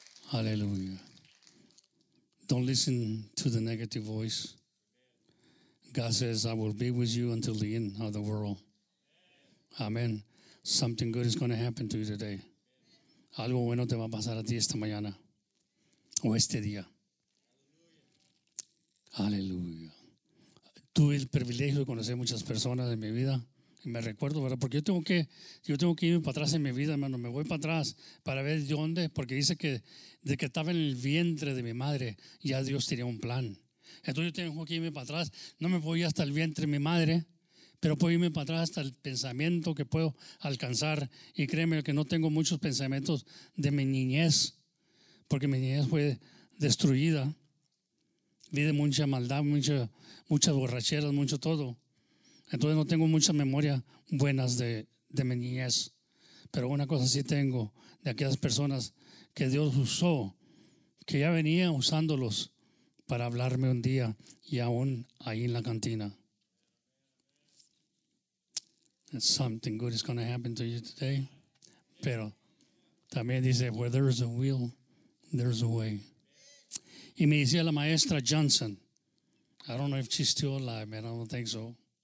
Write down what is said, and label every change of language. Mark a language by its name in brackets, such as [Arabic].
[English] Hallelujah. Don't listen to the negative voice. God says, I will be with you until the end of the world. Amen. Something good is gonna happen to you today. [Spanish] Algo bueno te va a pasar a ti esta mañana. O este día. Aleluya. Tuve el privilegio de conocer muchas personas en mi vida. Y me recuerdo, ¿verdad? Porque yo tengo que irme para atrás en mi vida, hermano. Me voy para atrás para ver de dónde. Porque dice que de que estaba en el vientre de mi madre, ya Dios tenía un plan. Entonces yo tengo que irme para atrás. No me puedo ir hasta el vientre de mi madre, pero puedo irme para atrás hasta el pensamiento que puedo alcanzar. Y créeme que no tengo muchos pensamientos de mi niñez, porque mi niñez fue destruida. Vi de mucha maldad, muchas borracheras, mucho todo. Entonces no tengo mucha memoria buenas de mi niñez. Pero una cosa sí tengo de aquellas personas que Dios usó, que ya venía usándolos para hablarme un día y aún ahí en la cantina. [English] And something good is going to happen to you today. [Spanish] Pero también dice, [English] where there is a will, there is a way. [Spanish] Y me decía la maestra Johnson, [English] I don't know if she's still alive, man, I don't think so.